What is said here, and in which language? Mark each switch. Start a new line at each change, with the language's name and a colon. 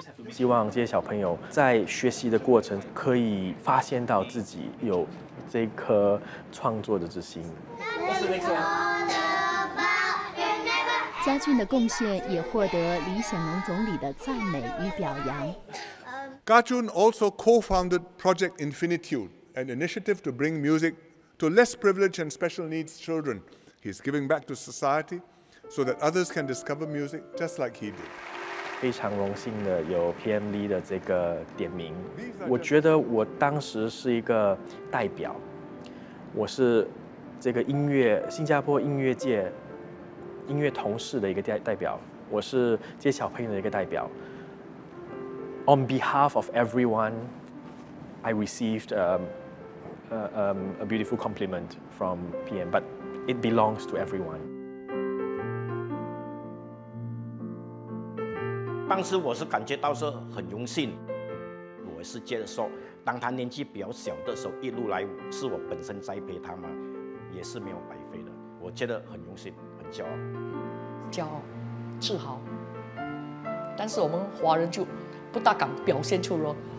Chinese: 希望这些小朋友在学习的过程可以发现到自己有这颗创作的之心。家俊的贡献也获得李显龙总理的赞美与表扬。
English: 家俊 also co-founded Project Infinitude, an initiative to bring music to less privileged and special needs children. He's giving back to society so that others can discover music just like he did.
Chinese: 非常荣幸的有 PM Lee 的这个点名，我觉得我当时是一个代表，我是这个音乐新加坡音乐界音乐同事的一个代表，我是这些小朋友的一个代表。
English: On behalf of everyone, I received a beautiful compliment from PM, but it belongs to everyone.
Chinese: 当时我是感觉到是很荣幸，我是觉得说当他年纪比较小的时候一路来是我本身栽培他嘛，也是没有白费的，我觉得很荣幸很骄傲，骄傲自豪，但是我们华人就不大敢表现出咯，